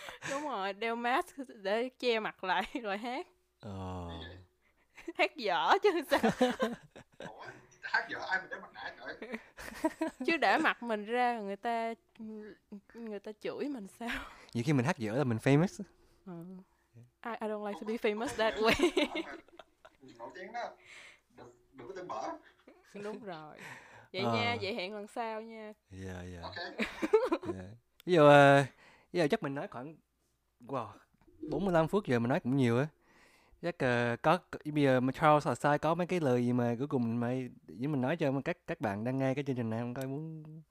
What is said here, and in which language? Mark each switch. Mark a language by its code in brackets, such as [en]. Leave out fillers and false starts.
[vi] Đúng rồi, đeo mask để che mặt lại rồi hát. Ờ. Hát dở chứ sao. Hát dở ai mà đeo mặt nạ trời. Chứ để mặt mình ra người ta chửi mình sao. Nhiều khi mình hát dở là mình famous. [en] I don't like to be famous that way. [vi] Nổi tiếng đó. Đừng có tên bở. Đúng rồi. Vậy nha, vậy hẹn lần sau nha. Yeah, yeah. Okay. Yeah. Bây giờ chắc mình nói khoảng wow, 45 phút giờ mình nói cũng nhiều á. Chắc có bây giờ mà Charles sai có mấy cái lời gì mà cuối cùng mình nói cho các bạn đang nghe cái chương trình này không, coi muốn